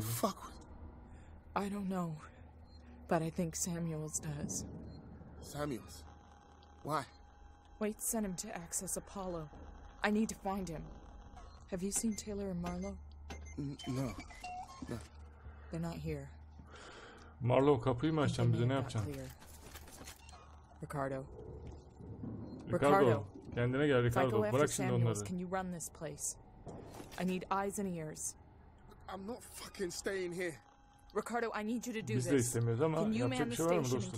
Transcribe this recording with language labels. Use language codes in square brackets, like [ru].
[en] Why the fuck? I don't know. But I think Samuels does. Samuels? Why? Wait, send him to access Apollo. I need to find him. Have you seen Taylor and Marlowe? No. No. They're not here. [tr] Marlowe kapıyı mı açacaksın bize ne yapacaksın? Ricardo. Ricardo. Kendine gel Ricardo. Bırak şimdi onları. [en] Can you run this place? I need eyes and ears. I'm not fucking staying here. Ricardo, I need you to do this. [tr] Biz de istemiyoruz ama yapacak bir şey var mı dostum?